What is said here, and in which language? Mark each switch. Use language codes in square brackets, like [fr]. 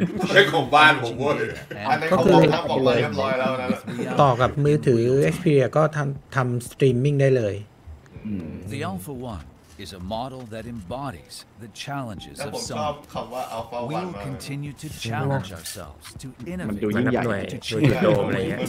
[th] เฮ้ยตำแหน่ง [en] first view in clip [th] ตรงเป็นของผมเว้ยเป็นของบ้านผมเว้ยอันนี้เขาบอกทำของเลยเรียบร้อยแล้วนะ ต่อกับมือถือ Xperia ก็ทำ streaming ได้เลย [en] The Alpha 1 is a model that embodies the challenges of some [th] ผมชอบคำว่า Alpha 1 [en] We will continue to challenge ourselves to innovate [th] มันดูยิ่งใหญ่ดูใหญ่โตอะไรเงี้ย